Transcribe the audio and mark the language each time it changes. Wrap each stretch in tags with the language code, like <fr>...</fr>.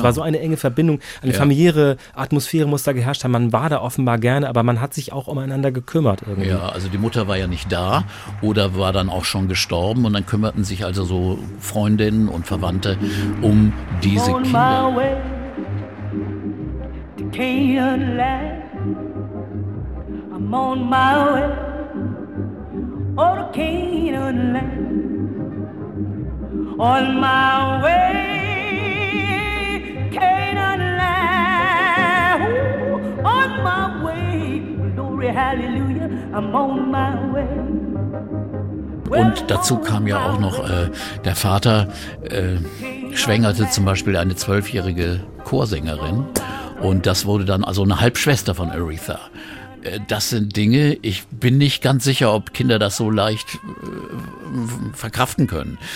<de>Es war so eine enge Verbindung, eine familiäre Atmosphäre muss da geherrscht haben. Man war da offenbar gerne, aber man hat sich auch umeinander gekümmert irgendwie. Ja, also die Mutter war ja nicht da oder war dann auch schon gestorben, und dann kümmerten sich also so Freundinnen und Verwandte um diese Kinder.</de> <en>Canaan land, I'm on my way, oh, to Canaan land, on my way, Canaan land, ooh, on my way, glory, hallelujah, I'm on my way.</en> <de>Und dazu kam ja auch noch, der Vater schwängerte zum Beispiel eine 12-jährige Chorsängerin. Und das wurde dann also eine Halbschwester von Aretha. Das sind Dinge, ich bin nicht ganz sicher, ob Kinder das so leicht verkraften können.</de>